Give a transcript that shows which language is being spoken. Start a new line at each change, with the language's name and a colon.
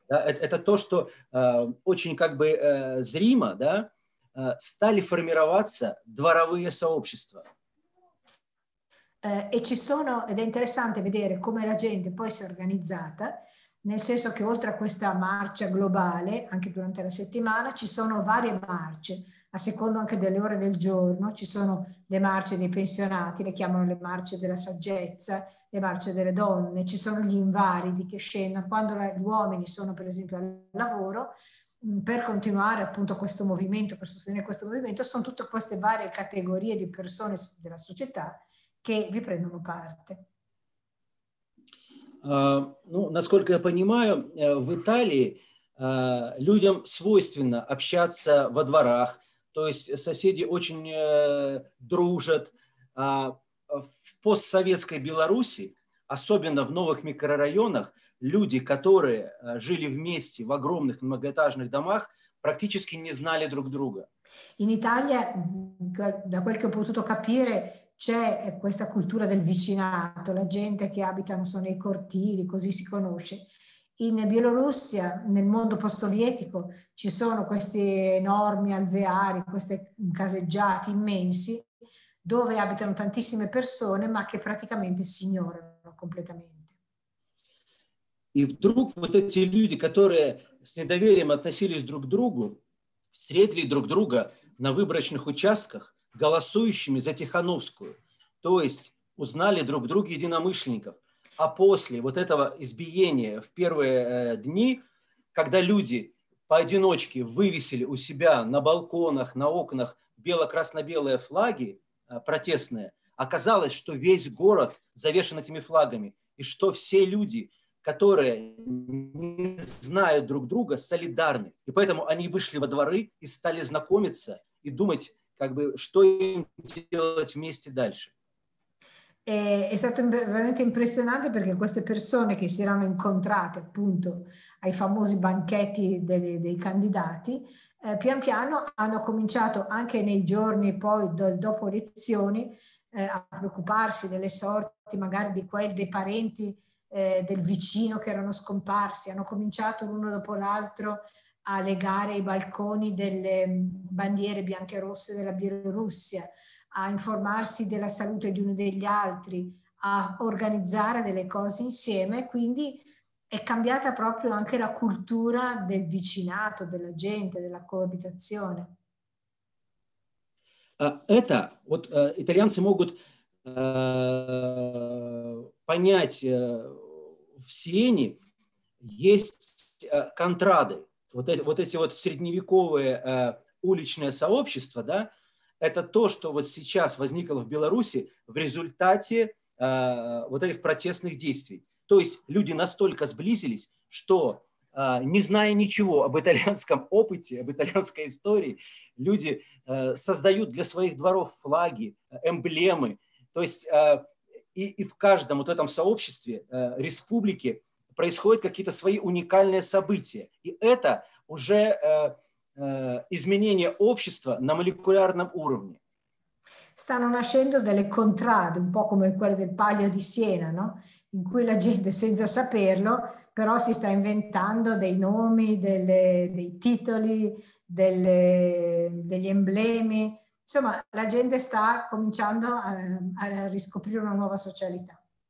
Russian: Да, это то, что очень как бы зримо, да, стали формироваться дворовые сообщества.
Italian: E ci sono, ed è interessante vedere come la gente poi si è organizzata, nel senso che oltre a questa marcia globale, anche durante la settimana, ci sono varie marce, a seconda anche delle ore del giorno, ci sono le marce dei pensionati, le chiamano le marce della saggezza, le marce delle donne, ci sono gli invalidi che scendono, quando gli uomini sono per esempio al lavoro, per continuare appunto questo movimento, per sostenere questo movimento, sono tutte queste varie categorie di persone della società che vi prendono parte.
Russian: Ну, насколько я понимаю, в Италии людям свойственно общаться во дворах, то есть соседи очень дружат. В постсоветской Беларуси, особенно в новых микрорайонах, люди, которые жили вместе в огромных многоэтажных домах, практически не знали друг друга.
Italian: In Italia, da quel che ho potuto capire, c'è questa cultura del vicinato, la gente che abita non so, nei cortili, così si conosce. In Bielorussia, nel mondo post-sovietico, ci sono questi enormi alveari, queste caseggiate immensi, dove abitano tantissime persone, ma che praticamente si ignorano completamente.
Russian: E вдруг вот эти люди, которые с недоверием относились друг к другу, встретили друг друга на выборочных участках, голосующими за Тихановскую, то есть узнали друг друга единомышленников. А после вот этого избиения в первые дни, когда люди поодиночке вывесили у себя на балконах, на окнах бело-красно-белые флаги протестные, оказалось, что весь город завешен этими флагами, и что все люди, которые не знают друг друга, солидарны. И поэтому они вышли во дворы и стали знакомиться и думать, как бы, что им делать вместе дальше.
Italian: È stato veramente impressionante perché queste persone che si erano incontrate appunto ai famosi banchetti dei candidati, pian piano hanno cominciato anche nei giorni poi dopo elezioni a preoccuparsi delle sorti magari di quelli dei parenti del vicino che erano scomparsi, hanno cominciato l'uno dopo l'altro a legare i balconi delle bandiere bianche e rosse della Bielorussia, a informarsi della salute di uno degli altri, a organizzare delle cose insieme, quindi è cambiata proprio anche la cultura del vicinato, della gente, della coabitazione.
Russian: Это вот итальянцы могут понять в Сиене есть контрады. Вот эти вот средневековые уличные сообщества, да, это то, что вот сейчас возникло в Беларуси в результате вот этих протестных действий. То есть люди настолько сблизились, что, не зная ничего об итальянском опыте, об итальянской истории, люди создают для своих дворов флаги, эмблемы. То есть и в каждом вот этом сообществе, республике, происходят какие-то свои уникальные события. И это уже изменение общества на молекулярном уровне.
Italian: Stanno nascendo delle contrade, un po' come quelle del Palio di Siena, no? In cui la gente, senza saperlo, però si sta inventando dei nomi, dei titoli, degli emblemi. Insomma, la gente sta cominciando a riscoprire una nuova socialità.